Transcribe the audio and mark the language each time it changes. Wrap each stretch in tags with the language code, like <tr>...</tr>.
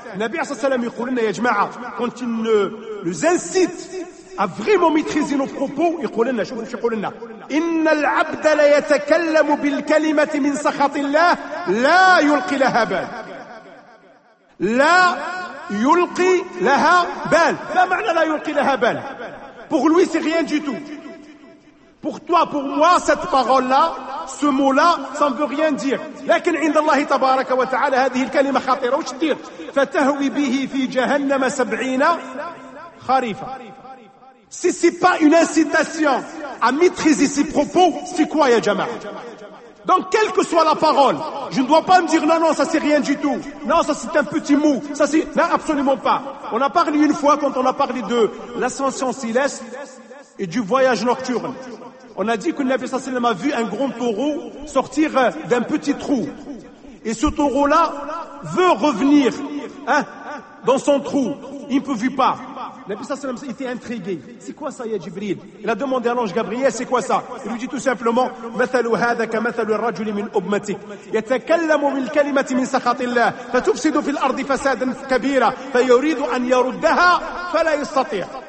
<ar>النبي صلى الله عليه وسلم يقول لنا يا جماعة,</ar> <fr>quand il nous incite à vraiment maîtriser nos propos,</fr> <ar>يقول لنا, شوفوا يقول لنا, إن العبد لا يتكلم بالكلمة من سخط الله لا يلقي لها بال. لا يلقي لها بال. ما معنى لا يلقي لها بال؟</ar> <fr>Pour lui, c'est rien du tout. Pour toi, pour moi, cette parole-là, ce mot-là, ça ne veut rien dire.</fr> <ar>لكن عند الله تبارك وتعالى هذه الكلمة خطيرة. وش تدير؟ فتهوي به في جهنم سبعين خريفة.</ar> <fr>Si ce n'est pas une incitation à maîtriser ses propos, c'est quoi,</fr> <ar>ya jama'a?</ar> <fr>Donc, quelle que soit la parole, je ne dois pas me dire non, non, ça c'est rien du tout. Non, ça c'est un petit mot. Ça c'est. Non, absolument pas. On a parlé une fois quand on a parlé de l'ascension céleste et du voyage nocturne. On a dit que le Nabi sallallahu alayhi wa sallam a vu un grand taureau sortir d'un petit trou. Et ce taureau-là veut revenir, hein, dans son trou. Il ne peut pas. Le Nabi sallallahu alayhi wa sallam était intrigué. C'est quoi ça, ya Jibril? Il a demandé à l'ange Gabriel, c'est quoi ça? Il lui dit tout simplement,</fr> <ar>مثل هذا كمثل الرجل من أمتك يتكلم بالكلمة من سخط الله فتفسد في الأرض فسادا كبيرا فيريد أن يردها فلا يستطيع.</ar>